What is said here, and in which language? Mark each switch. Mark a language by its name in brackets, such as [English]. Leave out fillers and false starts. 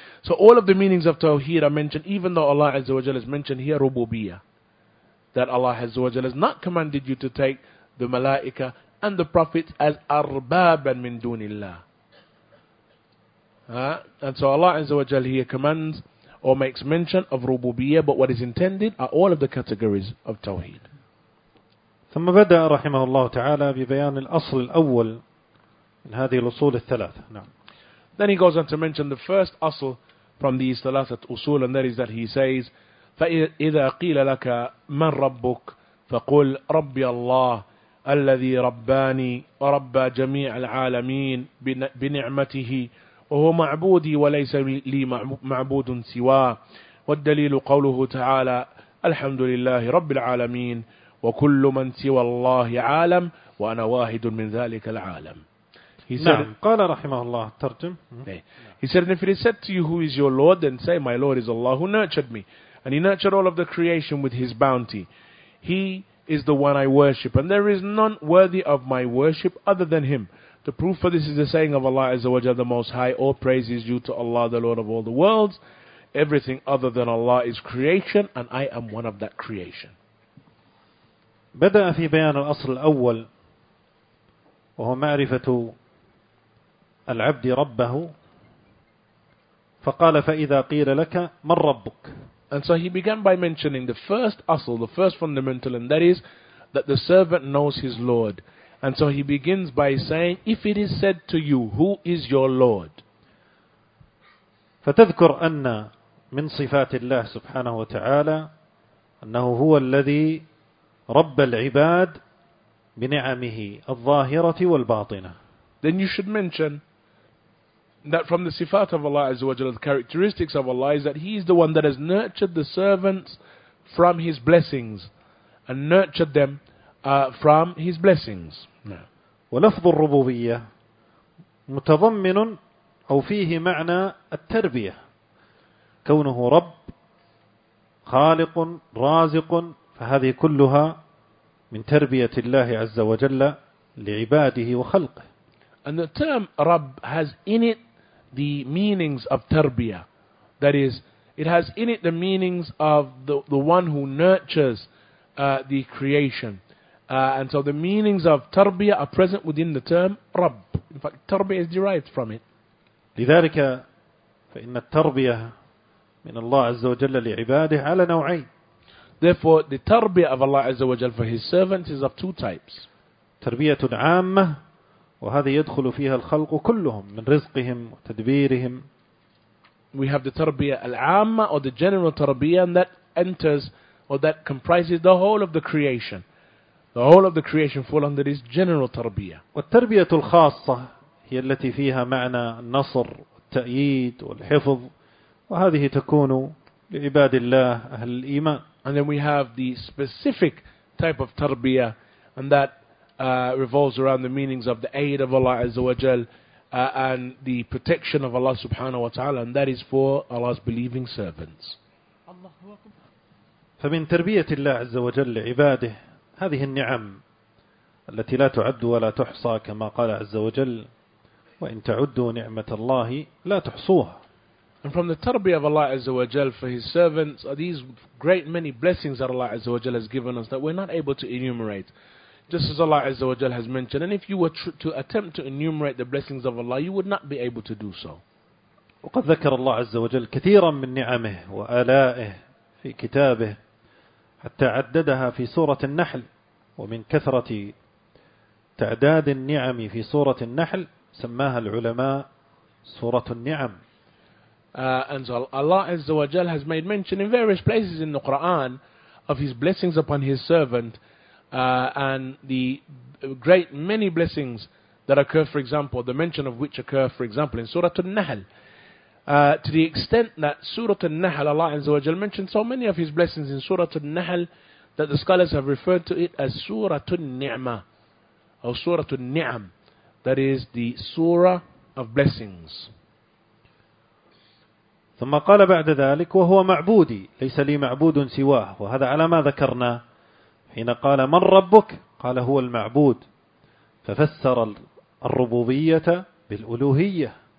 [English] So all of the meanings of Tawheed are mentioned, even though Allah Azza wa Jalla has mentioned here Rububiyya, that Allah Azza wa Jalla has not commanded you to take the Malaika and the Prophets as Arbaban min Dunillah. And so Allah Azza wa Jalla here commands or makes mention of Rububiyya, but what is intended are all of the categories of Tawheed. [Arabic] ثم بدأ رحمه الله تعالى ببيان الأصل الأول من هذه الأصول الثلاثة. نعم. [English] Then he goes on to mention the first أصل from these ثلاثة أصول, and that is that he says, [Arabic] فإذا قيل لك من ربك فقل ربي الله الذي رباني وربى جميع العالمين بنعمته وهو معبودي وليس لي معبود سواه والدليل قوله تعالى الحمد لله رب العالمين وكل من سوى الله عالم وأنا واحد من ذلك العالم. قال رحمه الله ترجم. [English] He said, and if it is said to you, who is your Lord? Then say, my Lord is Allah, who nurtured me, and He nurtured all of the creation with His bounty. He is the one I worship, and there is none worthy of my worship other than Him. The proof for this is the saying of Allah Azza wa Jalla, the Most High, all praise is due to Allah, the Lord of all the worlds. Everything other than Allah is creation, and I am one of that creation. [Arabic] بدأ في بيان الأصل الأول وهو معرفة العبد ربه فقال فإذا قيل لك من ربك. [English] And so he began by mentioning the first أصل, the first fundamental, and that is that the servant knows his Lord. And so he begins by saying, if it is said to you, who is your Lord? [Arabic] فتذكر أن من صفات الله سبحانه وتعالى أنه هو الذي رب العباد بنعمه الظاهرة والباطنة. [English] Then you should mention that from the sifat of Allah Azza wa Jalla, the characteristics of Allah is that He is the one that has nurtured the servants from His blessings and nurtured them from His blessings. [Arabic] ولفظ الربوبية متضمن أو فيه معنى التربية كونه رب خالق رازق فهذه كلها من تربية الله عز وجل لعباده وخلقه. [English] And the term Rabb has in it the meanings of tarbiyah. That is, it has in it the meanings of the one who nurtures the creation. And so the meanings of tarbiyah are present within the term Rabb. In fact, tarbiyah is derived from it. [Arabic] لذلك فإن التربيه من الله عز وجل لعباده على نوعين. [English] Therefore, the tarbiyah of Allah Azza wa Jal for His servants is of two types. [Arabic] تربية عامة وهذا يدخل فيها الخلق كلهم من رزقهم وتدبيرهم. [English] We have the [Arabic] تربية العامة [English] or the general تربية, and that enters or that comprises the whole of the creation. The whole of the creation fall under this general تربية. [Arabic] والتربية الخاصة هي التي فيها معنى النصر والتأييد والحفظ, وهذه تكون لعباد الله أهل الإيمان. [English] And then we have the specific type of تربية, and that revolves around the meanings of the aid of Allah Azza wa Jal and the protection of Allah Subhanahu wa Ta'ala, and that is for Allah's believing servants. [Arabic] فمن تربية الله عز وجل لعباده هذه النعم التي لا تعد ولا تحصى, كما قال عز وجل وإن تعدوا نعمة الله لا تحصوها. [English] And from the تربية of Allah Azza wa Jal for His servants are these great many blessings that Allah Azza wa Jal has given us that we're not able to enumerate. Just as Allah Azza wa Jal has mentioned, and if you were to attempt to enumerate the blessings of Allah, you would not be able to do so. [Arabic] وقد ذكر الله عز وجل كثيرا من نعمه وآلائه في كتابه حتى عددها في سورة النحل, ومن كثرة تعداد النعم في سورة النحل سماها العلماء سورة النعم. [English] And so Allah Azza wa Jal has made mention in various places in the Quran of His blessings upon His servant, and the great many blessings that occur, for example, the mention of which occur, for example, in Surah An-Nahl. To the extent that Surah An-Nahl, Allah Azza wa Jal mentioned so many of His blessings in Surah An-Nahl that the scholars have referred to it as Surah An-Ni'mah or Surah An-Ni'am, that is the Surah of Blessings. [Arabic] ثم قال بعد ذلك وهو معبودي ليس لي معبود سواه, وهذا على ما ذكرنا حين قال من ربك, قال هو المعبود, ففسر الربوبية بالألوهية.